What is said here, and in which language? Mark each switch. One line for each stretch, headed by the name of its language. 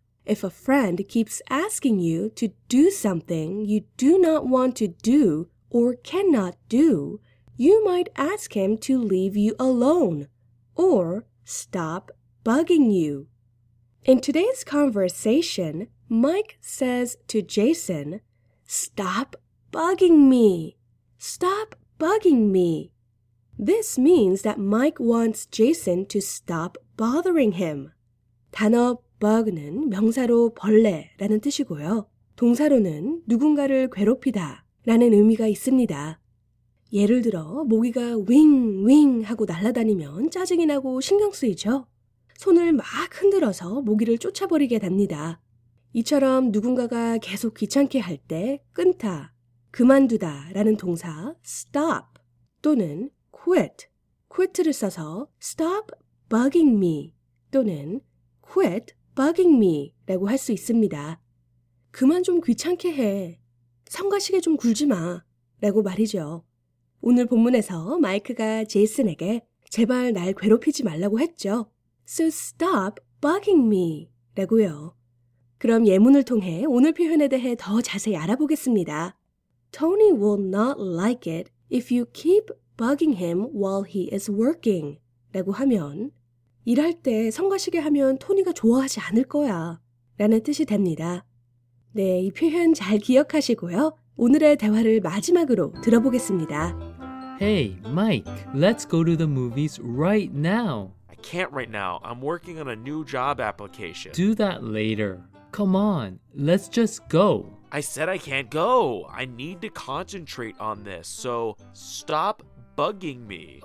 English: If a friend keeps asking you to do something you do not want to do or cannot do, you might ask him to leave you alone or stop bugging you. In today's conversation, Mike says to Jason, stop bugging me, stop bugging me. This means that Mike wants Jason to stop bothering him.
Korean: 단어 bug는 명사로 벌레라는 뜻이고요. 동사로는 누군가를 괴롭히다 라는 의미가 있습니다. 예를 들어 모기가 윙윙 하고 날아다니면 짜증이 나고 신경 쓰이죠. 손을 막 흔들어서 모기를 쫓아버리게 됩니다. 이처럼 누군가가 계속 귀찮게 할 때 끊다, 그만두다 라는 동사 stop 또는 quit, quit를 써서
English: stop bugging me
Korean: 또는
English: quit bugging me
Korean: 라고 할 수 있습니다. 그만 좀 귀찮게 해, 성가시게 좀 굴지 마 라고 말이죠. 오늘 본문에서 마이크가 제이슨에게 제발 날 괴롭히지 말라고 했죠.
English: So stop bugging me
Korean: 라고요. 그럼 예문을 통해 오늘 표현에 대해 더 자세히 알아보겠습니다.
English: Tony will not like it if you keep bugging him while he is working.
Korean: 라고 하면 일할 때 성가시게 하면 토니가 좋아하지 않을 거야 라는 뜻이 됩니다. 네, 이 표현 잘 기억하시고요. 오늘의 대화를 마지막으로 들어보겠습니다.
English: Hey, Mike, let's go to the movies right now. I can't right now. I'm working on a new job application. Do that later. Come on, let's just go. I said I can't go. I need to concentrate on this, so stop bugging me.